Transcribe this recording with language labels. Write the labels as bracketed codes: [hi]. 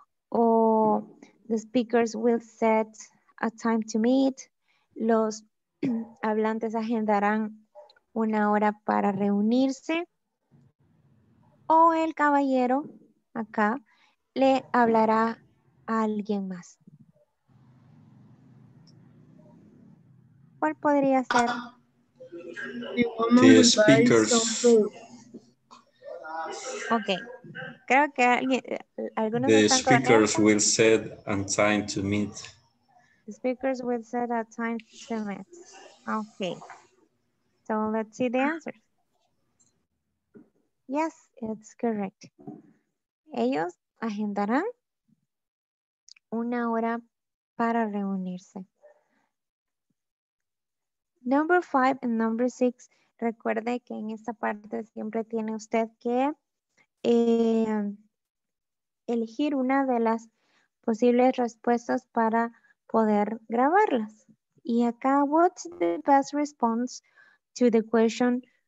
[en] Or the speakers will set a time to meet. [es] Los hablantes agendarán una hora para reunirse. O el caballero acá le hablará a alguien más. ¿Cuál podría ser? [en] The speakers. [es] Okay. Creo que alguien, algunos [en] the speakers will set a time to meet. The speakers will set a time to meet. Okay. So let's see the answer. Yes, it's correct. [es] Ellos agendarán una hora para reunirse. [en] Number five and number six. [es] Recuerde que en esta parte siempre tiene usted que elegir una de las posibles respuestas para poder grabarlas. Y acá, [en] what's the best response to the question?